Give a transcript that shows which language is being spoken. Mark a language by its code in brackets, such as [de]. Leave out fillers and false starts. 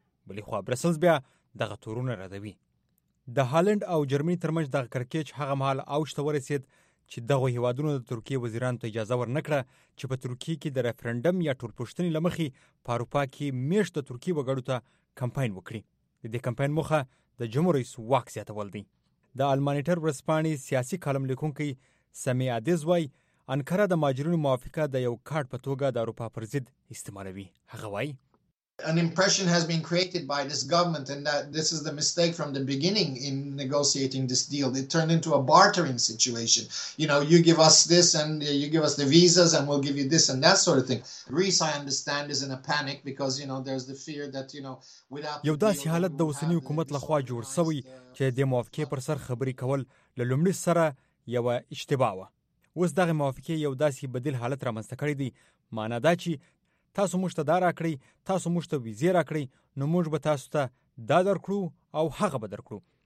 [ps] بلې خو برسلز بیا دغه تورونه ردوي. د هالند او جرمنی ترمنځ د کرکیچ هغه مهال اوښته ورسید چې دغه هیوادونو د ترکیه وزیرانو ته اجازه ورنکړه چې په ترکیه کې د ریفرندم یا ټولپوښتنې لمخي په اروپا کې میشته ترکیه وګړو ته کمپاین وکړي. د دې کمپاین مخه د جمهور رئیس واک زیاتول دی. د المانیټر ورځپاڼې سیاسي کالم لیکونکي سمی ادیز وای انکره د ماجرینو موافقه د یو کارت په توګه د اروپا پر ضد استعمالوي. هغه وای [en] An impression has been created by this government and that this is the mistake from the beginning in negotiating this deal. It turned into a bartering situation. You know, you give us this and you give us the visas and we'll give you this and that sort of thing. Greece, I understand, is in a panic because, you know, there's the fear that, you know, without... [ps] یو داسې حالت د اوسنی حکومت لخوا جوړ شوی چې د موافقه پر سر خبرې کول له لومړي سره یو اشتباه و. اوس دغه موافقه یو داسې بدیل حالت رامنځته کړی دی. معنی دا چې تاسو موږ ته دا راکړئ، تاسو موږ ته ویزې راکړئ، نو موږ به تاسو ته دا درکړو او هغه به درکړو.